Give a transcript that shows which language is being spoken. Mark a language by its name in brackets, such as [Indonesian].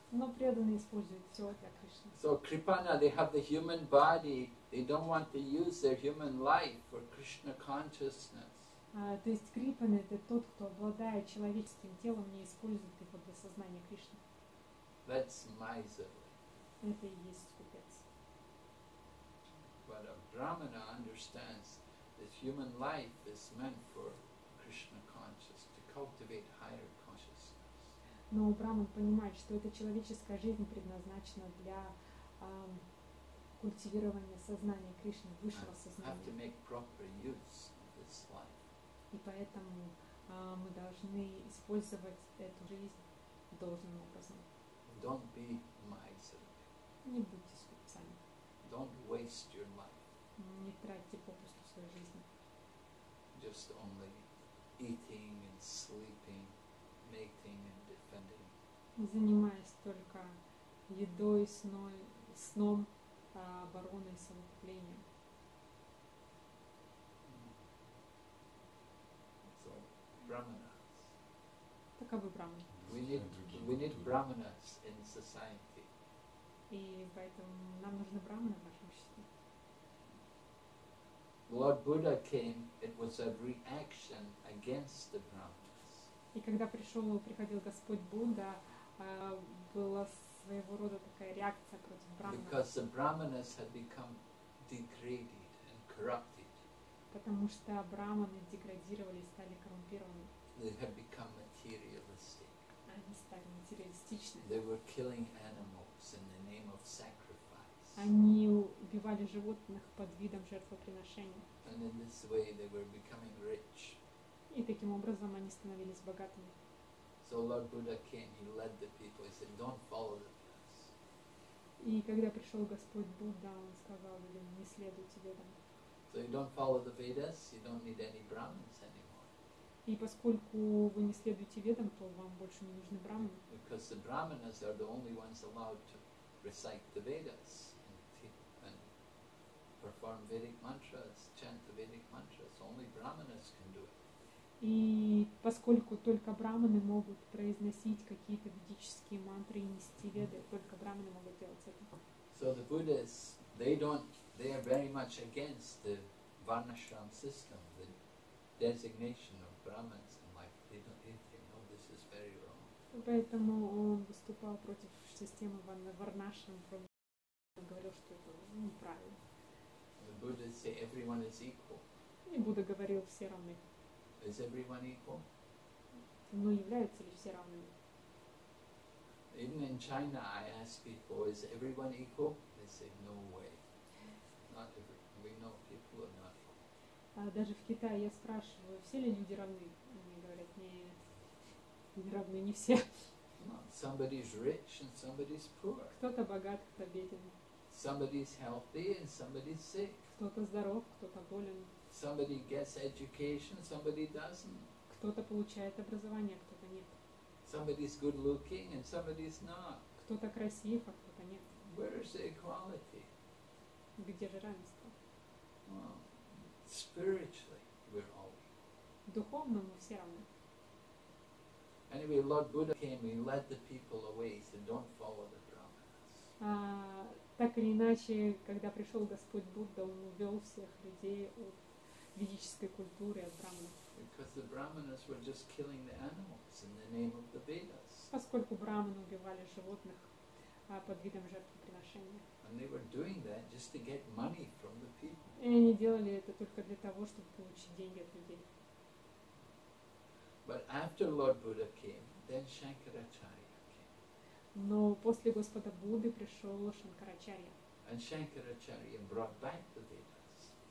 [Russian] Но преданный использует все для Кришны. [English] So Kripana, they have the human body, they don't want to use their human life for Krishna consciousness. [Russian] То есть Крипан — это тот, кто, обладая человеческим телом, не использует его для сознания Кришны. [English] That's miserly. [Russian] Это и есть скупец. [English] But a Brahmana understands that human life is meant for Krishna consciousness, to cultivate higher consciousness. [Russian] Но Брахман понимает, что эта человеческая жизнь предназначена для культивирования сознания Кришны, высшего сознания. [English] Have to make proper use of this life. [Russian] И поэтому мы должны использовать эту жизнь должным образом. [English] Don't be miserly. [Russian] Не будьте скупцами. [English] Don't waste your life. [Russian] Не тратьте попусту свою жизнь. [English] Just only eating and sleeping, mating and defending. [Russian] Занимаясь только едой, сном, обороной, самоуправлением. [English] Brahmanas. [Russian] Таковы брахманы. [English] We need brahmanas in society. [Russian] И поэтому нам нужны брахманы в нашем обществе. [English] Lord Buddha came, it was a reaction against the brahmanas. [Russian] И когда приходил Господь Будда, была своего рода такая реакция против брахманов. [English] Because the brahmanas had become degraded and corrupted. [Russian] Потому что брахманы деградировали и стали коррумпированными. [English] They had become materialistic. [Russian] Они стали материалистичными. [English] They were killing animals in the name of sacrifice. [Russian] Они убивали животных под видом жертвоприношения. [English] And in this way they were becoming rich. [Russian] И таким образом они становились богатыми. [English] So Lord Buddha came, he led the people, he said, don't follow the paths. [Russian] И когда пришел Господь Будда, он сказал людям, не следуйте ведам. [English] So you don't follow the Vedas, you don't need any Brahmins anymore. [Russian] И поскольку вы не следуете ведам, то вам больше не нужны брахманы. [English] Because the brahmanas are the only ones allowed to recite the Vedas and perform Vedic mantras, chant the Vedic mantras. Only brahmanas can do it. [Russian] И поскольку только брахманы могут произносить какие-то ведические мантры и нести веды, только брахманы могут делать это. [English] So the Buddhas, they are very much against the varnashram system, the designation of brahmins, and like they know this is very wrong. [Russian] Поэтому он выступал против системы варнашрам, говорил, что это неправильно. [English] The Buddhas say everyone is equal. [Russian] И Будда говорил, все равны. [English] Is everyone equal? [Russian] Но являются ли все равными? [English] Even in China, I ask people, is everyone equal? They say, no way. Not everyone. We know people are not equal. [Russian] Даже в Китае я спрашиваю, все ли люди равны? Они говорят, нет, не равны не все. [English] Somebody is rich and somebody is poor. [Russian] Кто-то богат, кто-то беден. [English] Somebody is healthy and somebody is sick. [Russian] Кто-то здоров, кто-то болен. [English] Somebody gets education, somebody doesn't. [Russian] Кто-то получает образование, кто-то нет. [English] Somebody is good looking and somebody is not. [Russian] Кто-то красив, а кто-то нет. [English] Where is the equality? [Russian] Где же равенство? [English] Well, spiritually, we're all. [Russian] Духовно мы все равны. [English] Anyway, Lord Buddha came and led the people away. He said, "Don't follow the brahmanas." [Russian] Так или иначе, когда пришел Господь Будда, он увел всех людей от ведической культуры, от брахманов. [English] Because the brahmanas were just killing the animals in the name of the Vedas. [Russian] Поскольку брахманы убивали животных под видом жертвоприношения. [English] And they were doing that just to get money from the people. [Russian] И они делали это только для того, чтобы получить деньги от людей. [English] But after Lord Buddha came, then Shankaracharya came. [Russian] Но после Господа Будды пришел Шанкарачарья. [English] And Shankaracharya brought back the Vedas.